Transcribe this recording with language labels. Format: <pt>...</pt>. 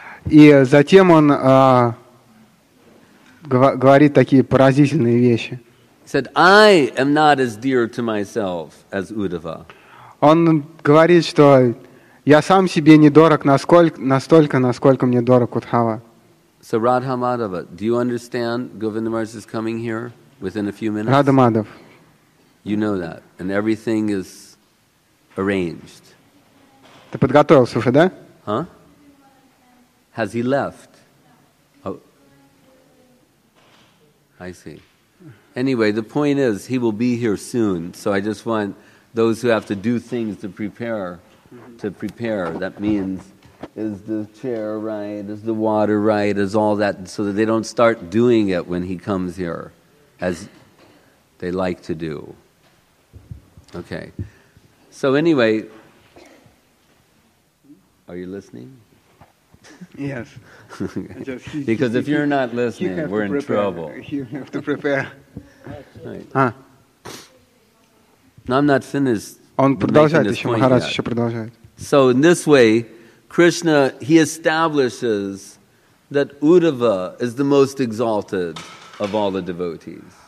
<ru>И затем он говорит такие поразительные вещи.</ru> <en>He said, I am not as dear to myself as Uddhava.</en> <ru>Он говорит, что я сам себе не дорог настолько, насколько мне дорог Удхава.</ru> <en>So, Radha Madhava, do you understand Govinda Maharaj is coming here within a few minutes? Radha Madhav. You know that. And everything is arranged.</en> <ru>Ты подготовился уже, да?</ru> <en>Huh? Has he left? Oh. I see. Anyway, the point is, he will be here soon. So I just want those who have to do things to prepare... to prepare, that means is the chair right, is the water right, is all that, so that they don't start doing it when he comes here as they like to do. Okay. So anyway, are you listening? Yes. Because if you're not listening, we're in trouble. You have to prepare. Right. No, I'm not finished.</en> <ru>Он продолжает еще, Махарадж еще продолжает.</ru> <en>So in this way, Krishna, he establishes that Uddhava is the most exalted of all the devotees.</en>